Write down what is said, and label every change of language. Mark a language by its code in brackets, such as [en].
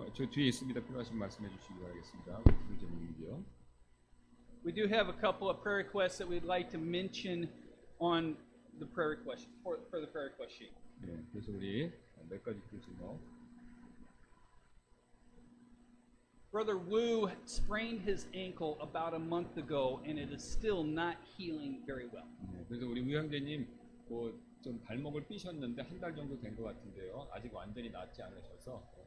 [ko] 뒤에 있습니다. 필요하신 말씀해 주시기 바라겠습니다. 문제는요. [en] We do have a couple of prayer requests that we'd like to mention on the prayer request for the prayer request sheet. [ko] 네, 그래서 우리 몇 가지 필요하시고. [en] Brother Wu sprained his ankle about a month ago, and it is still not healing very well. [ko] 네, 그래서 우리 우 형제님 뭐 좀 발목을 삐셨는데 한 달 정도 된 것 같은데요. 아직 완전히 낫지 않으셔서.